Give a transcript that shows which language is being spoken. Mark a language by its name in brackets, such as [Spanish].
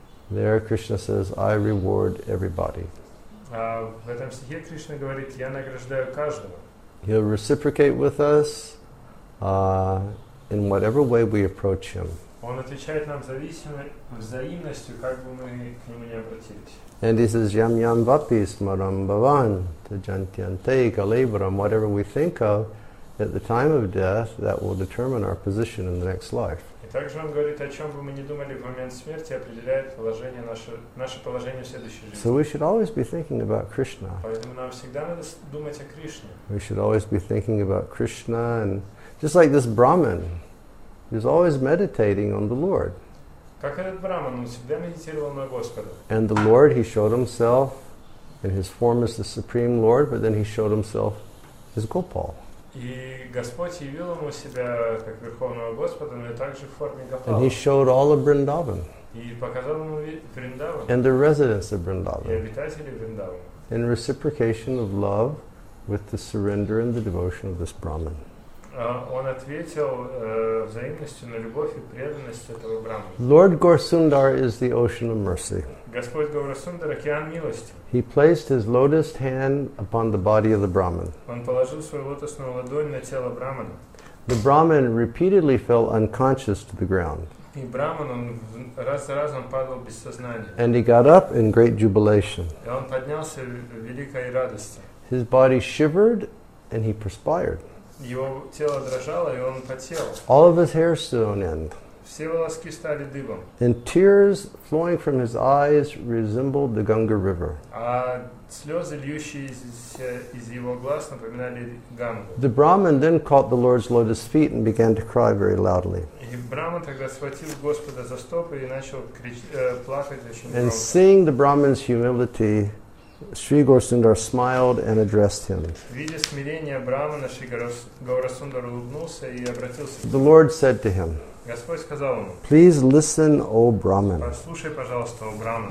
[English] There Krishna says, I reward everybody. [Russian] В этом стихе Кришна говорит, я награждаю каждого. [English] He'll reciprocate with us in whatever way we approach him. [Russian] Он отвечает нам взаимностью, как бы мы к нему не обратились. [English] And he says, [Sanskrit] yam yam vapi smaram bhavan tajantyante kalevaram. [English] Whatever we think of at the time of death, that will determine our position in the next life. [Russian] И также он говорит, о чем бы мы ни думали в момент смерти, определяет положение наше положение в следующей жизни. [English] So we should always be thinking about Krishna. [Russian] Поэтому нам всегда надо думать о Кришне. [English] We should always be thinking about Krishna, and just like this Brahmin, he's always meditating on the Lord. [Russian] Как этот Брахман, он всегда медитировал на Господа. [English] And the Lord, he showed himself in his form as the Supreme Lord, but then he showed himself as Gopal. [Russian] И Господь явил ему себя как Верховного Господа, но и также в форме Гопала. [English] And he showed all of Vrindavan. [Russian] И показал ему Вриндаван. [English] And the residents of Vrindavan. [Russian] И обитатели Вриндавана. [English] In reciprocation of love with the surrender and the devotion of this Brahmin. [Russian] Он ответил взаимностью на любовь и преданность этого Брахмана. [English] Lord Gaurasundar is the ocean of mercy. [Russian] Господь Гаурасундар – океан милости. [English] He placed his lotus hand upon the body of the Brahmin. [Russian] Он положил свою лотосную ладонь на тело Брахмана. [English] The Brahmin repeatedly fell unconscious to the ground. [Russian] И Брахман, он раз за разом падал без сознания. [English] And he got up in great jubilation. [Russian] И он поднялся в великой радости. [English] His body shivered and he perspired. [Russian] Его тело дрожало, и он потел. [English] All of his hair stood on end. [Russian] Все волоски стали дыбом. [English] And tears flowing from his eyes resembled the Ganga River. [Russian] А слезы, льющиеся из его глаз, напоминали Гангу. [English] The Brahmin then caught the Lord's lotus feet and began to cry very loudly. [Russian] И Брахман тогда схватил Господа за стопы и начал плакать очень громко. [English] And seeing the Brahmin's humility, Sri Gaurasundar smiled and addressed him. [Russian] Видя смирение Брахмана, Шри Гаурасундар улыбнулся и обратился к нему. [English] The Lord said to him, [Russian] Господь сказал ему, [English] please listen, O Brahmin. [Russian] Послушай, пожалуйста, о Брахман.